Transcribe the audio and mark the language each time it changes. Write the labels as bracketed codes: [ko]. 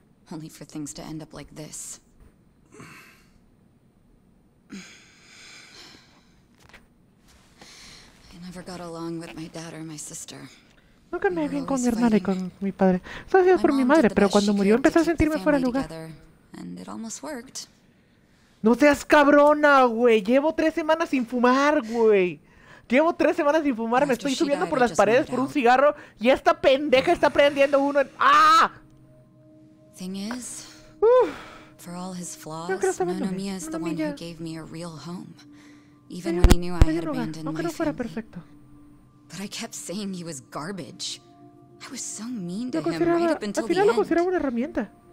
[en] Only for things to end up like this. I never got along with my dad or my sister. [es] Nunca me vi bien con mi hermana y con mi padre. Solo hacía por mi madre, pero cuando murió empecé a sentirme fuera de lugar. [en] And it almost worked. [es] No seas cabrona, güey. Llevo 3 semanas sin fumar, güey. Llevo 3 semanas sin fumar. Me estoy subiendo por las paredes por un cigarro y esta pendeja está prendiendo uno en... ¡Ah! [en] Thing is, for all his flaws, Nonomiya is the one who gave me a real home. Even when he knew I had abandoned my family. But I kept saying he was garbage. I was so mean to him right up until the end. [es] Lo consideraba una herramienta.